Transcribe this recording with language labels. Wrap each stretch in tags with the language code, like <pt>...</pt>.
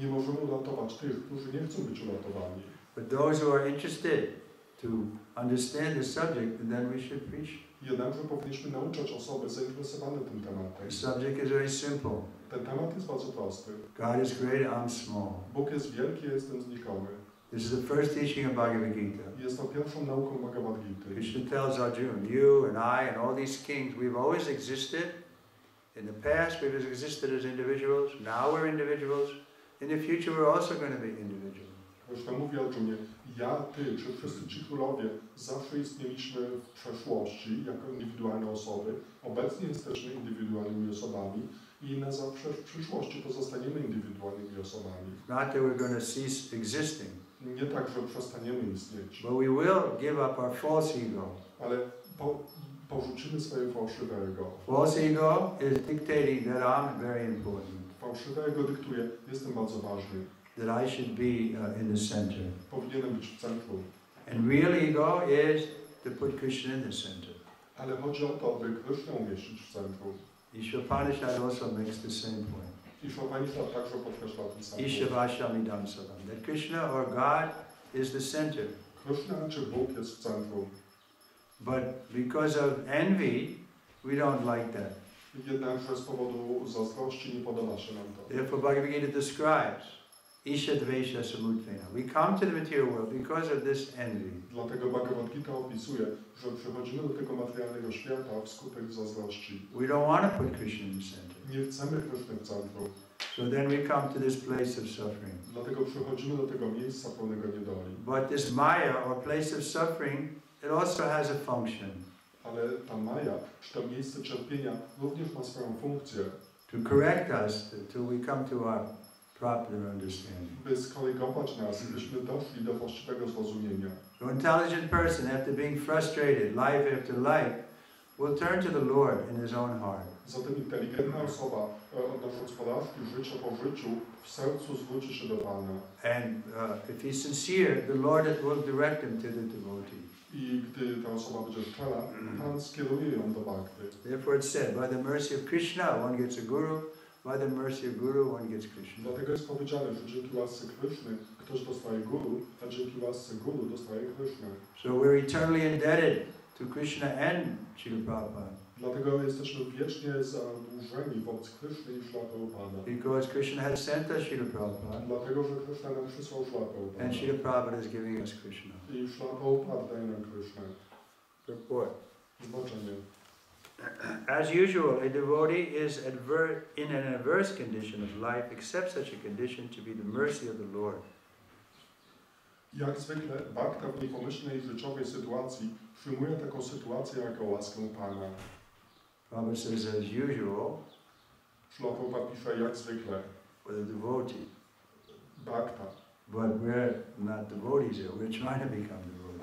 <pl>Nie możemy uratować tych, którzy nie chcą być uratowani.</pl> <en>But those who are interested to understand the subject, and then we should preach.</en> <pl>Jednakże powinniśmy nauczać osoby zainteresowane tym tematem.</pl> <en>The subject is very simple.</en> <pl>Ten temat jest bardzo prosty.</pl> <en>God is great, I'm small.</en> <pl>Bóg jest wielki, jestem znikomy.</pl> <en>This is the first teaching of Bhagavad Gita.</en> <pl>Jest to pierwszą nauką Bhagavad Gita.</pl> <en>Krishna tells Arjuna, you and I and all these kings, we've always existed. In the past, we've existed as individuals. Now we're individuals. In the future, we're also going to be individuals.</en> <pl>Krishna mówi Arjunie, ja, ty, czy wszyscy ci królowie, zawsze istnieliśmy w przeszłości jako indywidualne osoby. Obecnie jesteśmy indywidualnymi osobami i na zawsze w przyszłości pozostaniemy indywidualnymi osobami.</pl> <en>Not that we're going to cease existing.</en> <pl>Nie tak, że przestaniemy istnieć.</pl> <en>But we will give up our false ego.</en> <pl>Ale porzucimy swoje fałszywe ego.</pl> <en>False ego is dictating that I'm very important.</en> <pl>Fałszywe ego dyktuje, jestem bardzo ważny.</pl> <en>That I should be in the center.</en> <pl>Powinienem być w centrum.</pl> <en>And real ego is to put Krishna in the center.</en> <pl>Ale chodzi o to, by Krishna umieścić w centrum.</pl> <en>Ishvapanishad also makes the same point.</en> <pl>Ishvapanishad także podkreśla ten sam.</pl> <sa>Ishvashamidamsadam.</sa> <en>That Krishna or God is the center.</en> <pl>Krishna czy Bóg jest w centrum.</pl> <en>But because of envy, we don't like that.</en> <pl>Jednakże z powodu zazdrości nie podoba się nam to.</pl> <en>Therefore Bhagavad Gita describes Isha Dvesha Samudvena. We come to the material world because of this envy.</en> <pl>Dlatego Bhagavad Gita opisuje, że przechodzimy do tego materialnego świata wskutek zazdrości.</pl> <en>We don't want to put Krishna in the center.</en> <pl>Nie chcemy Krishna w centrum.</pl> <en>So then we come to this place of suffering.</en> <pl>Dlatego przechodzimy do tego miejsca pełnego niedoli.</pl> <en>But this Maya, or place of suffering, it also has a function.</en> <pl>Ale ta Maya, czy to miejsce cierpienia, również ma swoją funkcję.</pl> <en>To correct us till we come to our proper understanding.</en> <pl>By skorygować nas, byśmy doszli do właściwego zrozumienia.</pl> <en>An intelligent person, after being frustrated life after life, will turn to the Lord in his own heart.</en> <pl>Zatem inteligentna osoba, odnosząc porażki życia po życiu, w sercu zwróci się do Pana.</pl> <en>And if he's sincere, the Lord will direct him to the devotee.</en> <pl>I gdy ta osoba będzie szczera, Pan skieruje ją do bhakti.</pl> <en>Therefore it's said, by the mercy of Krishna, one gets a guru, by the mercy of guru, one gets Krishna.</en> <pl>Dlatego jest powiedziane, że dzięki łasce Krishny ktoś dostaje guru, a dzięki łasce guru dostaje Krishna.</pl> <en>So we're eternally indebted to Krishna and Śrīla Prabhupāda.</en> <pl>Dlatego jesteśmy wiecznie zadłużeni wobec Krishny i Śrīla Prabhupāda.</pl> <en>Because Krishna has sent us Śrīla Prabhupāda.</en> <pl>Dlatego, że Krishna nam przysłał Śrīla Prabhupāda.</pl> <en>And Śrīla Prabhupāda is giving us Krishna.</en> <pl>I Śrīla Prabhupāda daje nam Krishna. Zobaczmy.</pl> <en>As usual, a devotee is in an adverse condition of life, except such a condition to be the mercy of the Lord.</en> <pl>Jak zwykle, bhakta w niepomyślnej życiowej sytuacji przyjmuje taką sytuację jako łaskę Pana.</pl> <en>Prabhupada says, as usual.</en> <pl>Śrīla Prabhupāda pisze, jak zwykle.</pl> <en>With a devotee.</en> <pl>Bhakta.</pl> <en>But we're not devotees yet, we're trying to become devotees.</en>